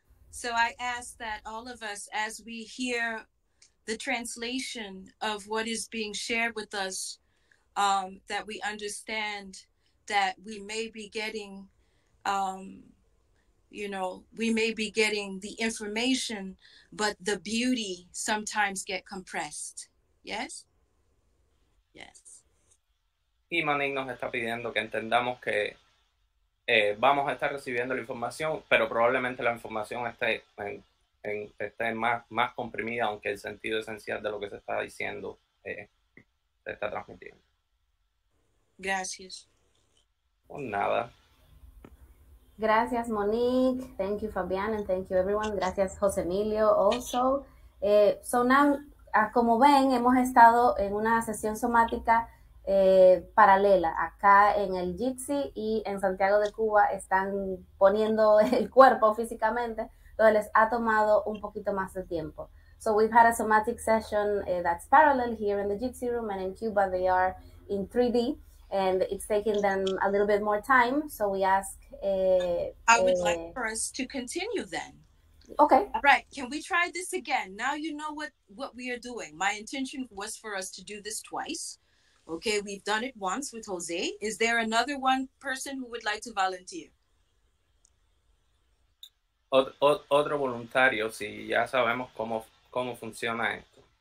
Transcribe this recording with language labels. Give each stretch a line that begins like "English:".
English: So I ask that all of us, as we hear the translation of what is being shared with us, that we understand that we may be getting, we may be getting the information, but the beauty sometimes get compressed. Yes? Yes.
Spanish: Y Manik nos está pidiendo que entendamos que vamos a estar recibiendo la información, pero probablemente la información esté más comprimida, aunque el sentido esencial de lo que se está diciendo se está transmitiendo. Gracias. Pues nada.
English: Gracias, Monique. Thank you, Fabián, and thank you, everyone.
Spanish: Gracias, José Emilio, also. So now, como ven, hemos estado en una sesión somática paralela, acá en el Jitsi y en Santiago de Cuba están poniendo el cuerpo físicamente, donde les ha tomado un poquito más de tiempo.
English: So we've had a somatic session that's parallel here in the Jitsi room, and in Cuba they are in 3D and it's taking them a little bit more time. So we ask I would like for us to continue then. Okay. All right, can we try this again? Now you know what we are doing. My intention was for us to do this twice. Okay, we've done it once with Jose. Is there another one person who would like to volunteer?
Spanish: Otro voluntario, si ya sabemos cómo funciona esto.